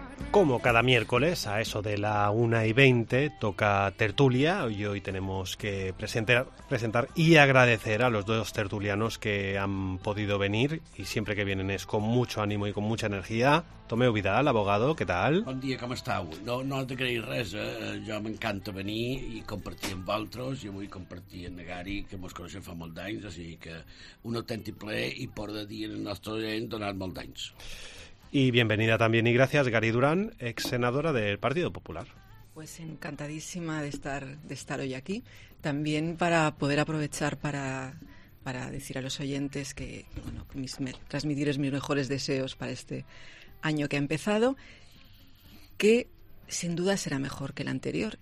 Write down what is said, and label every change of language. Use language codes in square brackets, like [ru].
[es] Como cada miércoles, a eso de la 1:20, toca tertulia y hoy tenemos que presentar y agradecer a los dos tertulianos que han podido venir y siempre que vienen es con mucho ánimo y con mucha energía. Tomeu Vidal, abogado, ¿qué tal? [ca] Bon dia, com estàu? No te creïs res, jo m'encanta venir i compartir amb altres i avui compartir amb Gary, que mos coneixem fa molt d'anys, així que un autèntic plaer i por de dir al nostre gent donar molt d'anys. [es] Y bienvenida también y gracias, Gary Durán, ex senadora del Partido Popular. Pues encantadísima de estar hoy aquí. También para poder aprovechar para decir a los oyentes que, bueno, transmitirles mis mejores deseos para este año que ha empezado, que sin duda será mejor que el anterior.